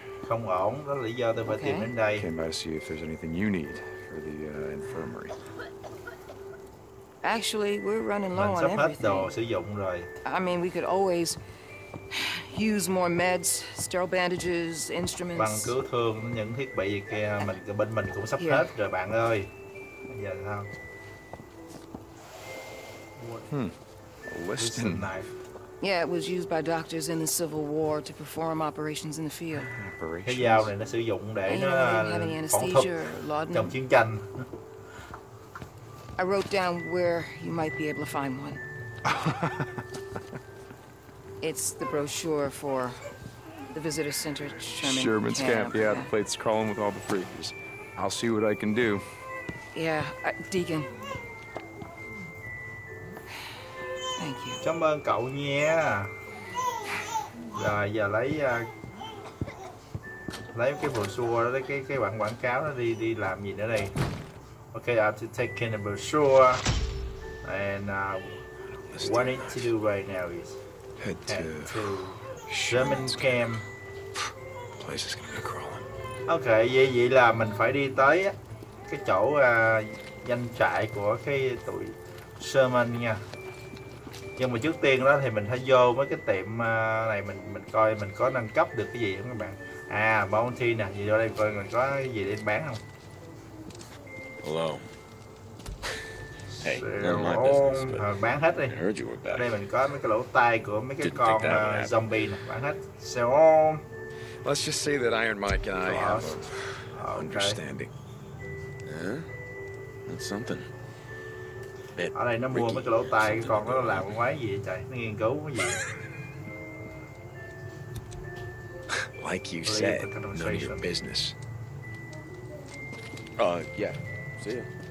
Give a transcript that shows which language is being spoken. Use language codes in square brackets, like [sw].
[vi] Không ổn, đó là lý do tôi phải tìm đến đây. [en] Came by to see if there's anything you need for the infirmary. Actually, we're running low on everything. [vi] Sử dụng rồi. [en] I mean, we could always use more meds, sterile bandages, instruments. [vi] Bằng cứu thương những thiết bị kia mình bên mình cũng sắp hết rồi bạn ơi. Giờ sao? [en] A Liston knife. Yeah, it was used by doctors in the Civil War to perform operations in the field. [vi] Cái dao này nó sử dụng để nó phẫu thuật trong chiến tranh. [en] I wrote down where you might be able to find one. It's the brochure for the visitor center at Sherman. Sherman's camp, yeah, the plate's crawling with all the freakers. I'll see what I can do. Yeah, Deacon. Thank you. [vi] Cảm ơn cậu nha. Rồi giờ lấy cái brochure đó, cái bản quảng cáo đó đi làm gì nữa đây? [en] Okay, I have to take care of the shore, and what I need to do right now is head to Sherman's camp. Place is gonna be crawling. [vi] Okay, vậy là mình phải đi tới cái chỗ danh trại của cái tụi Sherman nha. Nhưng mà trước tiên đó thì mình phải vô mấy cái tiệm này mình coi mình có nâng cấp được cái gì không các bạn. À, bounty nè, vậy vô đây coi mình có cái gì để bán không. [en] Hello. Hey, none of my [vi] business. Bán hết đi. [en] I heard you were back. [vi] Đây mình có mấy cái lỗ tai của mấy cái con zombie nè. Bán hết. Sell. [en] Let's just say that Iron Mike and I have an understanding. Yeah, that's something. [vi] Bit ở đây nó mua mấy cái lỗ tai cái con nó làm quái gì trời, nó nghiên cứu cái gì. [en] Like you said, none of your business. Yeah. See ya.